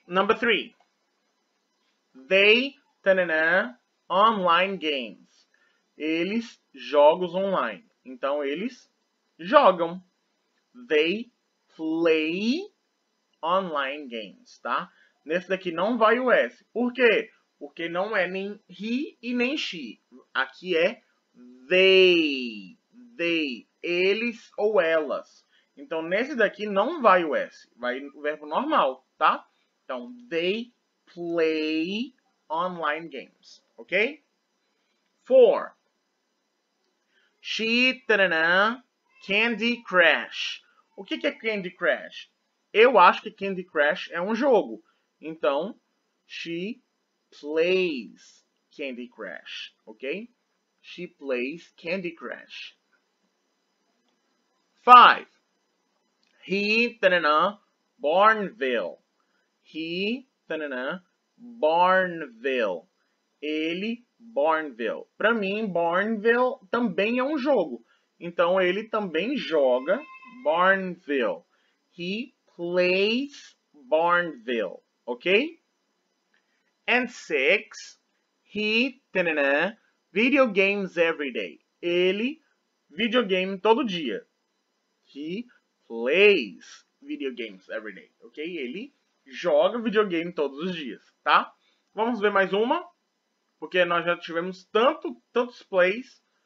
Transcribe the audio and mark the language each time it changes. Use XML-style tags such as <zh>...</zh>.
<en>Number three. They, ta-na-na, online games.</en> <pt>Eles jogos online. Então, eles jogam.</pt> <en>They play online games, tá?</en> <pt>Nesse daqui não vai o S. Por quê? Porque não é nem he e nem she. Aqui é they, eles ou elas. Então, nesse daqui não vai o S. Vai o verbo normal, tá?</pt> <en>Então, they play online games, ok? Four. She, Candy Crush.</en> <pt>O que é Candy Crush? Eu acho que Candy Crush é um jogo.</pt> <en>Então, she plays Candy Crush, ok? She plays Candy Crush. Five. He, Bourneville. He, Bourneville.</en> <pt>Ele, Bourneville. Para mim, Bourneville também é um jogo. Então, ele também joga Bourneville.</pt> <en>He plays Bourneville. Ok? And six. He, video games every day.</en> <pt>Ele, videogame todo dia.</pt> <en>He plays video games every day. Ok?</en> <pt>Ele joga videogame todos os dias. Tá? Vamos ver mais uma. Porque nós já tivemos tantos plays.</pt>